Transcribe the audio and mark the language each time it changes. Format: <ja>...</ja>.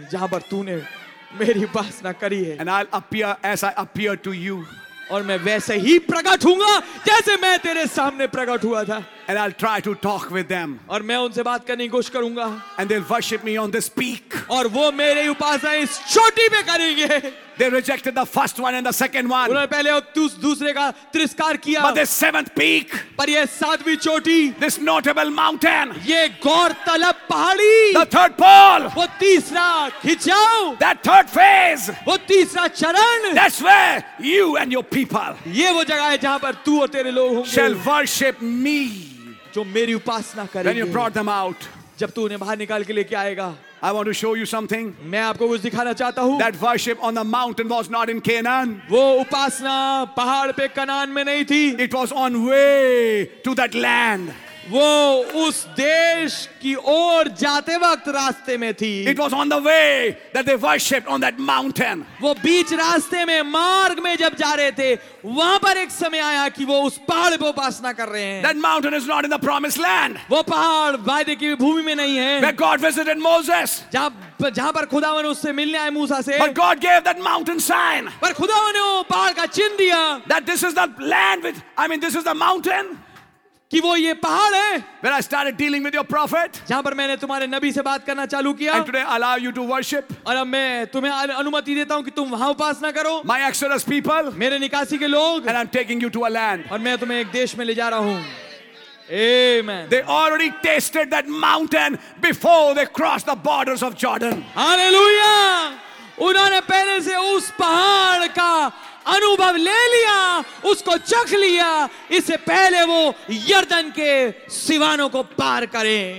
<hi>जहाँ पर तूने मेरी उपासना करी है.</hi> <en>And I'll appear as I appear to you.</en> <hi>और मैं वैसे ही प्रकट हूंगा जैसे मैं तेरे सामने प्रकट हुआ था.</hi> <en>And I'll try to talk with them.</en> <hi>और मैं उनसे बात करने की कोशिश करूंगा.</hi> <en>And they'll worship me on this peak.</en> <hi>और वो मेरे उपासना इस चोटी पे करेंगे.</hi> <en>They rejected the first one and the second one.</en> <hi>उन्होंने पहले और दूसरे का तिरस्कार किया.</hi> <en>But this seventh peak.</en> <hi>पर ये सातवीं चोटी.</hi> <en>This notable mountain.</en> <hi>ये गौर तलब पहाड़ी.</hi> <en>The third pole.</en> <hi>वो तीसरा खिंचाव.</hi> <en>That third phase.</en> <hi>वो तीसरा चरण.</hi> <en>That's where you and your people.</en> <hi>ये वो जगह है जहाँ पर तू और तेरे लोग होंगे.</hi> <en>Shall worship me.</en> <hi>जो मेरी उपासना करेंगे.</hi> <en>When you brought them out.</en> <hi>जब तू उन्हें बाहर निकाल के लेके आएगा.</hi> <en>I want to show you something.</en> <hi>मैं आपको कुछ दिखाना चाहता हूँ.</hi> <en>That worship on the mountain was not in Canaan.</en> <hi>वो उपासना पहाड़ पे कनान में नहीं थी.</hi> <en>It was on way to that land.</en> <hi>वो उस देश की ओर जाते वक्त रास्ते में थी.</hi> <en>It was on the way that they worshipped on that mountain.</en> <hi>वो बीच रास्ते में मार्ग में जब जा रहे थे वहां पर एक समय आया कि वो उस पहाड़ पे उपासना कर रहे हैं.</hi> <en>That mountain is not in the promised land.</en> <hi>वो पहाड़ वायदे की भूमि में नहीं है.</hi> <en>Where God visited Moses.</en> <hi>जहां पर खुदावन उससे मिलने आए मूसा से.</hi> <en>But God gave that mountain sign.</en> <hi>पर खुदावन ने वो पहाड़ का चिन्ह दिया.</hi> <en>That this is the land with, I mean this is the mountain.</en> <hi>कि वो ये पहाड़ है.</hi> <en>When I started dealing with your prophet.</en> <hi>जहां पर मैंने तुम्हारे नबी से बात करना चालू किया.</hi> <en>And today I allow you to worship.</en> <hi>और अब मैं तुम्हें अनुमति देता हूं कि तुम वहां उपासना करो.</hi> <en>My exodus people.</en> <hi>मेरे निकासी के लोग.</hi> <en>And I'm taking you to a land.</en> <hi>और मैं तुम्हें एक देश में ले जा रहा हूं.</hi> <en>Amen. They already tasted that mountain before they crossed the borders of Jordan. Hallelujah.</en> <hi>उन्होंने पहले से उस पहाड़ का अनुभव ले लिया, उसको चख लिया, इससे पहले वो यर्दन के सिवानों को पार करें।</hi>